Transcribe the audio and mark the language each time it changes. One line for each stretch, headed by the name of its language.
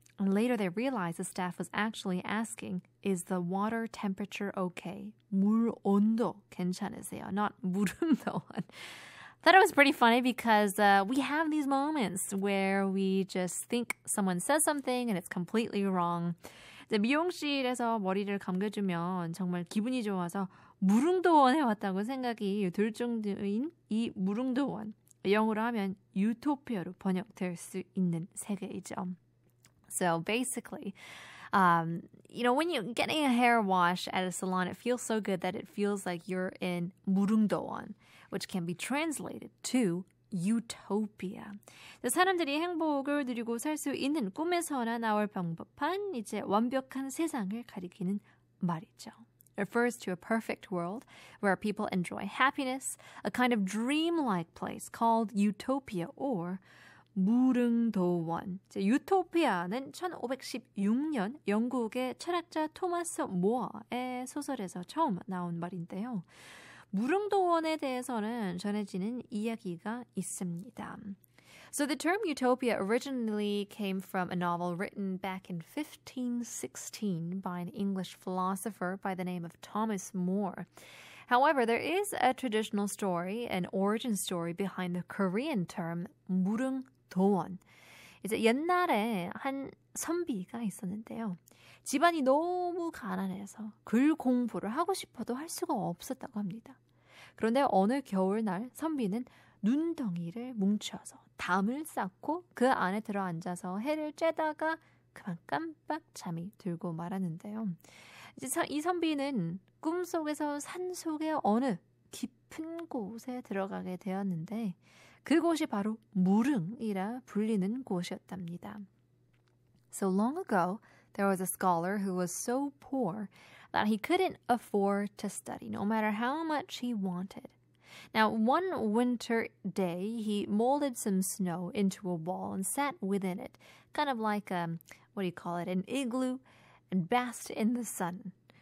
English: And later they realized the staff was actually asking, is the water temperature okay?
Korean: 물 온도 괜찮으세요? Not 무릉도원.
English: Thought it was pretty funny because we have these moments where we just think someone says something and it's completely wrong.
Korean: 미용실에서 머리를 감겨주면 정말 기분이 좋아서 무릉도원에 왔다고 생각이 들 정도인 이 무릉도원. 영어로 하면 유토피아로 번역될 수 있는 세계이죠.
English: So basically, you know, when you're getting a hair wash at a salon, it feels so good that it feels like you're in 무릉도원, which can be translated to Utopia.
Korean: 사람들이 행복을 누리고 살 수 있는 꿈에서나 나올 방법한 이제 완벽한 세상을 가리키는 말이죠.
English: Refers to a perfect world where people enjoy happiness, a kind of dreamlike place called Utopia or 무릉도원.
Korean: 이제 유토피아는 1516년 영국의 철학자 토마스 모어의 소설에서 처음 나온 말인데요. 무릉도원에 대해서는 전해지는 이야기가 있습니다.
English: So the term Utopia originally came from a novel written back in 1516 by an English philosopher by the name of Thomas More. However, there is a traditional story, an origin story behind the Korean term 무릉도원.
Korean: 이제 옛날에 한 선비가 있었는데요. 집안이 너무 가난해서 글 공부를 하고 싶어도 할 수가 없었다고 합니다. 그런데 어느 겨울날 선비는 눈덩이를 뭉쳐서 담을 쌓고 그 안에 들어앉아서 해를 쬐다가 그만 깜빡 잠이 들고 말았는데요. 이제 이 선비는 꿈속에서 산속의 어느 깊은 곳에 들어가게 되었는데 그곳이 바로 무릉이라 불리는 곳이었답니다.
English: So long ago, there was a scholar who was so poor that he couldn't afford to study, no matter how much he wanted. Now, one winter day, he molded some snow into a ball and sat within it, kind of like a, what do you call it, an igloo, and basked in the sun.